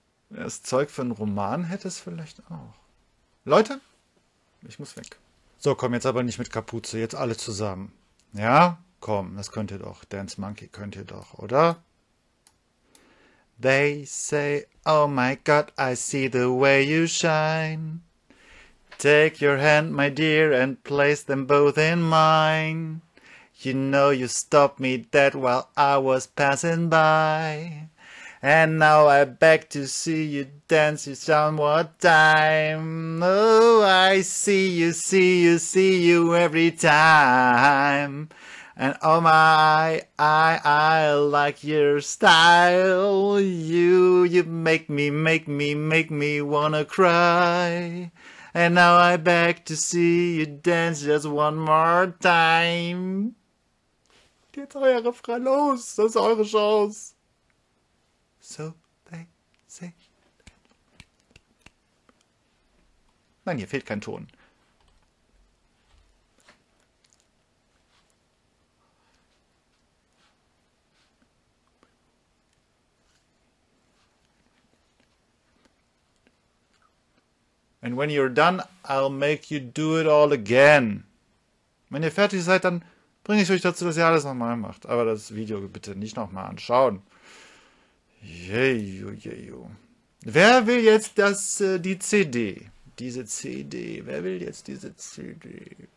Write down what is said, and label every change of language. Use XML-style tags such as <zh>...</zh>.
<de>Das Zeug für einen Roman hätte es vielleicht auch. Leute, ich muss weg. So, komm, jetzt aber nicht mit Kapuze, jetzt alle zusammen. Ja, komm, das könnt ihr doch. Dance Monkey könnt ihr doch, oder?</de> <en>They say, oh my God, I see the way you shine. Take your hand, my dear, and place them both in mine. You know you stopped me dead while I was passing by. And now I beg to see you dance you somewhat time. Oh, I see you every time. And oh my, I like your style. You make me wanna cry. And now I beg to see you dance just one more time.</en> <de>Jetzt euer Refrain los, das ist eure Chance.</de> <en>So they say.</en> <de>Nein, hier fehlt kein Ton.</de> <en>And when you're done, I'll make you do it all again.</en> <de>Wenn ihr fertig seid, dann bringe ich euch dazu, dass ihr alles nochmal macht. Aber das Video bitte nicht nochmal anschauen. Jeju, jeju. Wer will jetzt die CD? Diese CD. Wer will jetzt diese CD?</de>